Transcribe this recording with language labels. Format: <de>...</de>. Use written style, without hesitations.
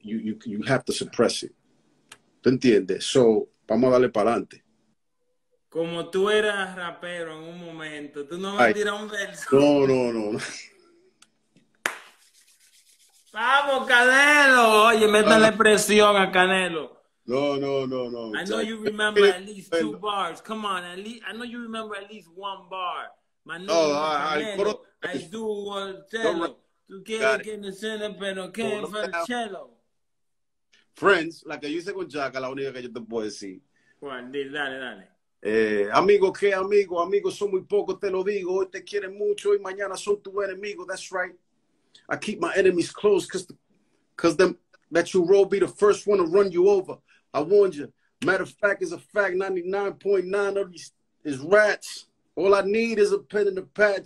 <en>You have to suppress it.</en> <es>¿Tú entiendes? So, vamos a darle para adelante. Como tú eras rapero en un momento, tú no vas a tirar un verso. No. ¡Vamos, Canelo! Oye, métale presión a Canelo. No.</es> <en>I know you remember at least two bars. Come on, at least, I know you remember at least one bar. My name is Canelo. I do Cello.</en> <es>Tú quieres que me suene, pero ¿qué es el Cello? Friends, la que yo hice con Jack, la única que yo te puedo decir. Juan, dale. Amigo, ¿qué amigo? Amigos son muy pocos, te lo digo. Hoy te quieren mucho y mañana son tu enemigo.</es> <en>That's right. I keep my enemies close because them that you roll be the first one to run you over. I warned you. Matter of fact, it's a fact. 99.9 of these is rats. All I need is a pen and a pad.</en>